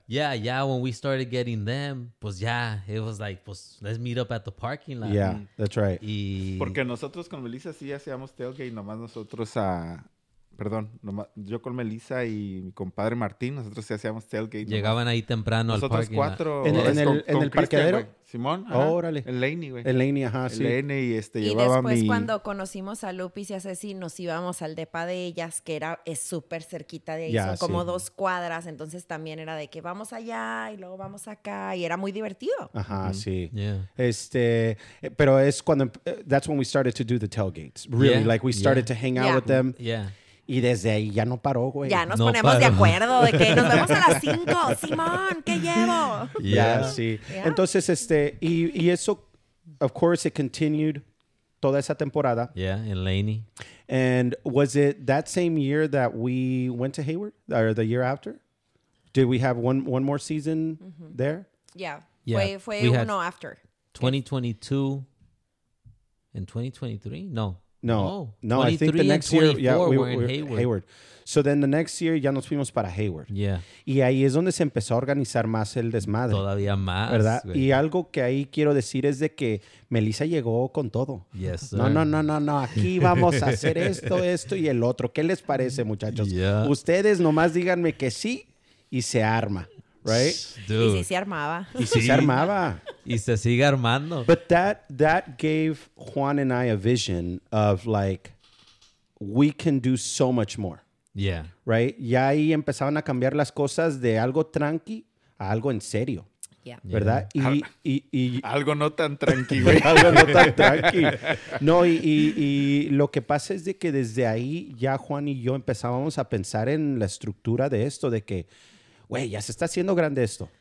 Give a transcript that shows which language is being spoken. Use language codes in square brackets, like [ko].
[en] Yeah, when we started getting them, pues yeah, it was like, pues let's meet up at the parking lot. Yeah, that's right. [es] Porque nosotros con Melissa sí hacíamos tailgate, nomás nosotros a... Perdón, nomás, yo con Melissa y mi compadre Martín, nosotros sí hacíamos tailgate. Nomás. Llegaban ahí temprano nosotros al parking lot. Nosotros cuatro. ¿En el parqueadero? Wey. Simón, órale. El Laney, güey. El Laney, ajá, sí. El Laney y llevaba después, mi... Y después cuando conocimos a Lupis y a Ceci, nos íbamos al depa de ellas, que es súper cerquita de ahí. Ya, son como dos cuadras, entonces también era de que vamos allá y luego vamos acá. Y era muy divertido. Ajá, sí. Yeah. Pero es cuando... [en] That's when we started to do the tailgates. Really, like we started to hang out with them. Yeah. [es] Y desde ahí ya no paró, güey. Ya nos ponemos de acuerdo de que nos vemos a las 5. Simón, ¿qué llevo? Entonces, y eso, [en] of course, it continued [es] toda esa temporada. Yeah, en Laney. [en] And was it that same year that we went to Hayward? Or the year after? Did we have one more season there? [es] Yeah. Fue uno after. [en] 2022 and 2023? No. No, I think the next year, we were in Hayward. So then the next year, [es] ya nos fuimos para Hayward. [en] Yeah. [es] Y ahí es donde se empezó a organizar más el desmadre. Todavía más. ¿Verdad? Güey. Y algo que ahí quiero decir es de que Melissa llegó con todo. [en] Yes, sir. [es] No, aquí vamos a hacer esto y el otro. ¿Qué les parece, muchachos? [en] Yeah. [es] Ustedes nomás díganme que sí y se arma, right? Dude. Y si se armaba. Y si se armaba. Y se sigue armando. [en] But that gave Juan and I a vision of like, we can do so much more. Yeah. Right? [es] Ya ahí empezaron a cambiar las cosas de algo tranqui a algo en serio. [en] Yeah. [es] ¿Verdad? Algo no tan tranqui, güey. Algo no tan tranqui. No, y lo que pasa es de que desde ahí ya Juan y yo empezábamos a pensar en la estructura de esto, de que, güey, ya se está haciendo grande esto.